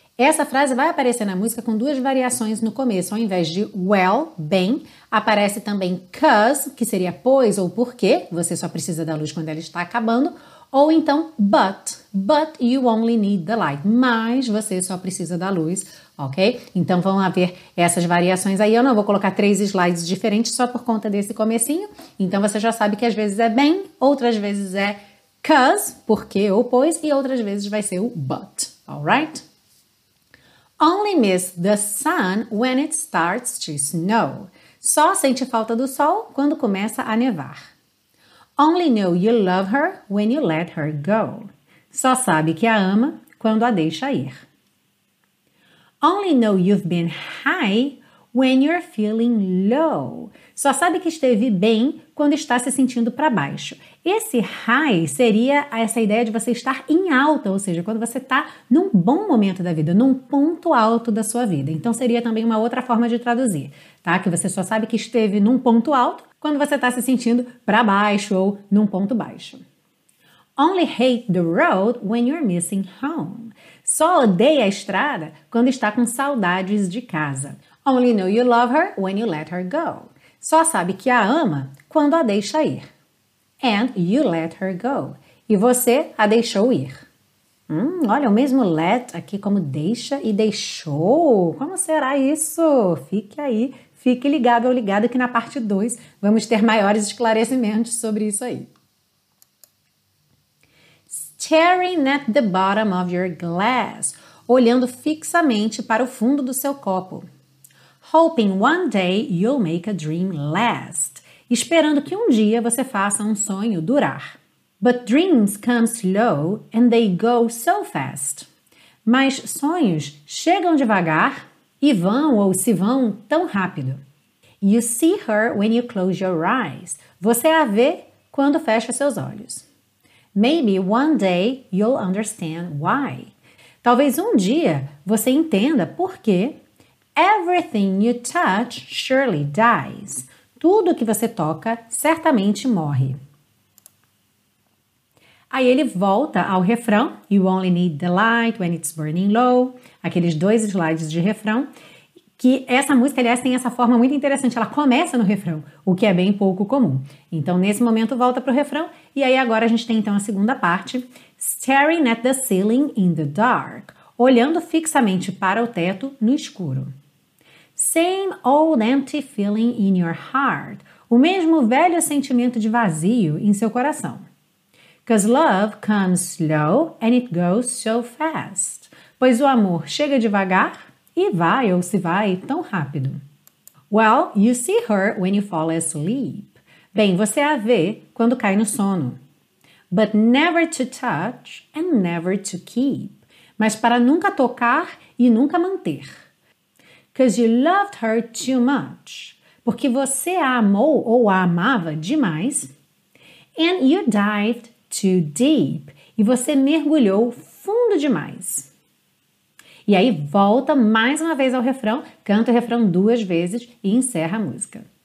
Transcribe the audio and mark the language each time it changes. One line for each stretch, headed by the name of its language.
Portuguese: Essa frase vai aparecer na música com 2 variações no começo. Ao invés de well, bem, aparece também 'cause, que seria pois ou porque, você só precisa da luz quando ela está acabando, ou então
English: but you only need the light,
Portuguese: mas você só precisa da luz, ok? Então vão haver essas variações aí. Eu não vou colocar 3 slides diferentes só por conta desse comecinho, então você já sabe que às vezes é bem, outras vezes é 'cause, porque ou pois, e outras vezes vai ser o but, alright?
English: Only miss the sun when it starts to snow.
Portuguese: Só sente falta do sol quando começa a nevar.
English: Only know you love her when you let her go.
Portuguese: Só sabe que a ama quando a deixa ir.
English: Only know you've been high when you're feeling low.
Portuguese: Só sabe que esteve bem quando está se sentindo para baixo. Esse high seria essa ideia de você estar em alta, ou seja, quando você está num bom momento da vida, num ponto alto da sua vida. Então seria também uma outra forma de traduzir, tá? Que você só sabe que esteve num ponto alto quando você está se sentindo para baixo ou num ponto baixo.
English: Only hate the road when you're missing home.
Portuguese: Só odeia a estrada quando está com saudades de casa.
English: Only know you love her when you let her go.
Portuguese: Só sabe que a ama quando a deixa ir.
English: And you let her go.
Portuguese: E você a deixou ir. Olha, o mesmo let aqui como deixa e deixou. Como será isso? Fique aí, fique ligado ou ligada que na parte 2 vamos ter maiores esclarecimentos sobre isso aí.
English: Staring at the bottom of your glass.
Portuguese: Olhando fixamente para o fundo do seu copo.
English: Hoping one day you'll make a dream last.
Portuguese: Esperando que um dia você faça um sonho durar.
English: But dreams come slow and they go so fast.
Portuguese: Mas sonhos chegam devagar e vão ou se vão tão rápido.
English: You see her when you close your eyes.
Portuguese: Você a vê quando fecha seus olhos.
English: Maybe one day you'll understand why.
Portuguese: Talvez um dia você entenda por quê.
English: Everything you touch surely dies.
Portuguese: Tudo que você toca certamente morre. Aí ele volta ao refrão,
English: you only need the light when it's burning low,
Portuguese: aqueles dois slides de refrão, que essa música, aliás, tem essa forma muito interessante, ela começa no refrão, o que é bem pouco comum. Então, nesse momento, volta para o refrão, e aí agora a gente tem então a segunda parte,
English: staring at the ceiling in the dark,
Portuguese: olhando fixamente para o teto no escuro.
English: Same old empty feeling in your heart,
Portuguese: o mesmo velho sentimento de vazio em seu coração.
English: Because love comes slow and it goes so fast.
Portuguese: Pois o amor chega devagar e vai ou se vai tão rápido.
English: Well, you see her when you fall asleep.
Portuguese: Bem, você a vê quando cai no sono.
English: But never to touch and never to keep.
Portuguese: Mas para nunca tocar e nunca manter.
English: Because you loved her too much.
Portuguese: Porque você a amou ou a amava demais.
English: And you dived too deep,
Portuguese: e você mergulhou fundo demais. E aí volta mais uma vez ao refrão, canta o refrão duas vezes e encerra a música.